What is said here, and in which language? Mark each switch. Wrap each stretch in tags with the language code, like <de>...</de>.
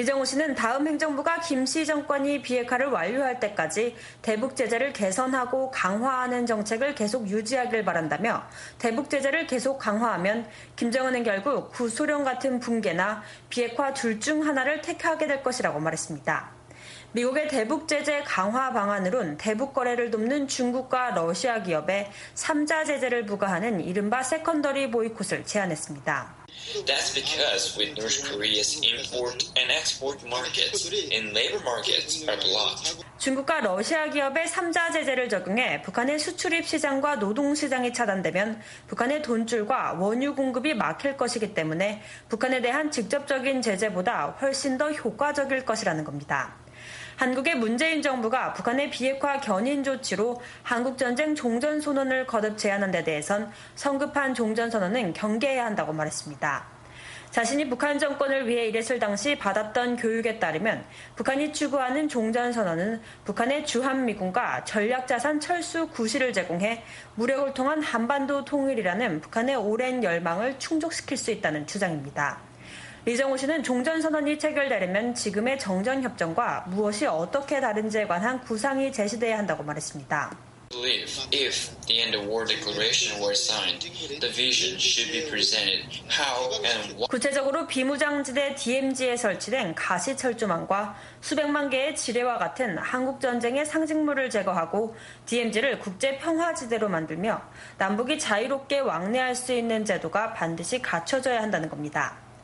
<ko>리정호 씨는 다음 행정부가 김 씨 정권이 비핵화를 완료할 때까지 대북 제재를 개선하고 강화하는 정책을 계속 유지하길 바란다며 대북 제재를 계속 강화하면 김정은은 결국 구소련 같은 붕괴나 비핵화 둘 중 하나를 택하게 될 것이라고 말했습니다. 미국의 대북 제재 강화 방안으론 대북 거래를 돕는 중국과 러시아 기업에 3자 제재를 부과하는 이른바 세컨더리 보이콧을 제안했습니다.</ko> <en>That's because with North Korea's import and export markets and labor markets are blocked.</en> <ko>중국과 러시아 기업에 3자 제재를 적용해 북한의 수출입 시장과 노동 시장이 차단되면 북한의 돈줄과 원유 공급이 막힐 것이기 때문에 북한에 대한 직접적인 제재보다 훨씬 더 효과적일 것이라는 겁니다. 한국의 문재인 정부가 북한의 비핵화 견인 조치로 한국전쟁 종전선언을 거듭 제안한 데 대해선 성급한 종전선언은 경계해야 한다고 말했습니다. 자신이 북한 정권을 위해 일했을 당시 받았던 교육에 따르면 북한이 추구하는 종전선언은 북한의 주한미군과 전략자산 철수 구실을 제공해 무력을 통한 한반도 통일이라는 북한의 오랜 열망을 충족시킬 수 있다는 주장입니다. 리정호 씨는 종전선언이 체결되려면 지금의 정전협정과 무엇이 어떻게 다른지에 관한 구상이 제시돼야 한다고 말했습니다.</ko> <en>If the end of war declaration were signed, the vision should be presented how and what</en> <ko>구체적으로 비무장지대 DMZ에 설치된 가시철조망과 수백만 개의 지뢰와 같은 한국전쟁의 상징물을 제거하고 DMZ를 국제평화지대로 만들며 남북이 자유롭게 왕래할 수 있는 제도가 반드시 갖춰져야 한다는 겁니다.</ko>